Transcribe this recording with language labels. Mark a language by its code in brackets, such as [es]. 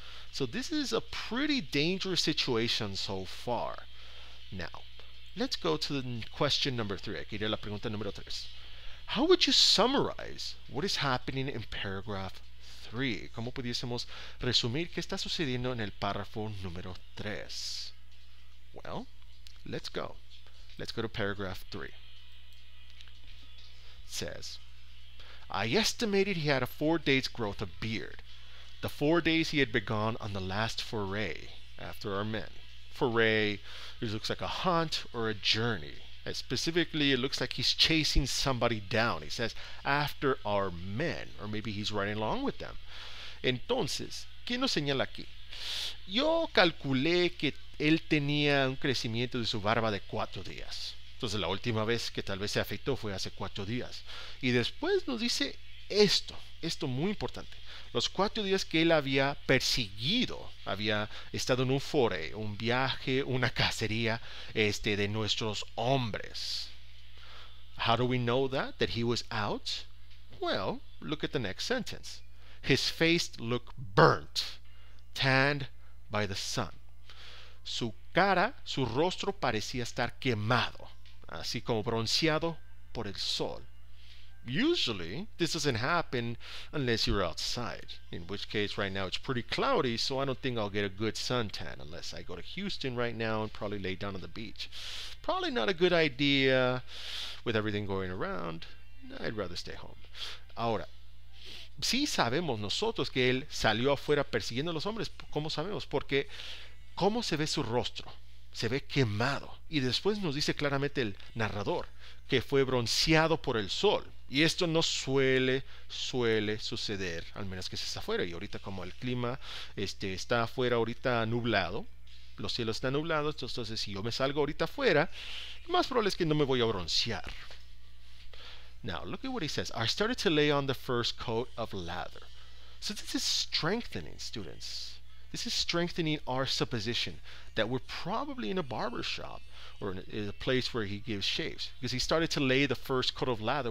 [en] So this is a pretty dangerous situation so far. Now, let's go to the question number 3. [es] Aquí iría la pregunta número 3. [en] How would you summarize what is happening in paragraph 3? [es] ¿Cómo pudiésemos resumir qué está sucediendo en el párrafo número 3? [en] Well, let's go. Let's go to paragraph 3. It says, I estimated he had a 4 days' growth of beard. The 4 days he had begun on the last foray after our men. Foray, it looks like a hunt or a journey. Specifically, it looks like he's chasing somebody down. He says, after our men. Or maybe he's riding along with them. [es] Entonces, ¿qué nos señala aquí? Yo calculé que él tenía un crecimiento de su barba de 4 días. Entonces, la última vez que tal vez se afectó fue hace 4 días. Y después nos dice esto muy importante. Los 4 días que él había perseguido, había estado en un foray, un viaje, una cacería, de nuestros hombres. [en] How do we know that he was out? Well, look at the next sentence. His face looked burnt, tanned by the sun. [es] Su cara, su rostro parecía estar quemado, así como bronceado por el sol. [en] Usually, this doesn't happen unless you're outside. In which case, right now it's pretty cloudy, so I don't think I'll get a good suntan unless I go to Houston right now and probably lay down on the beach. Probably not a good idea with everything going around. I'd rather stay home. [es] Ahora, sí sabemos nosotros que él salió afuera persiguiendo a los hombres. ¿Cómo sabemos? Porque, ¿cómo se ve su rostro? Se ve quemado. Y después nos dice claramente el narrador que fue bronceado por el sol. Y esto no suele suceder, al menos que se está afuera. Y ahorita como el clima está afuera ahorita nublado, los cielos están nublados, entonces si yo me salgo ahorita afuera, lo más probable es que no me voy a broncear. [en] Now, look at what he says. I started to lay on the first coat of lather. So this is strengthening, students. This is strengthening our supposition that we're probably in a barber shop. Or in a place where he gives shaves. Because he started to lay the first coat of lather.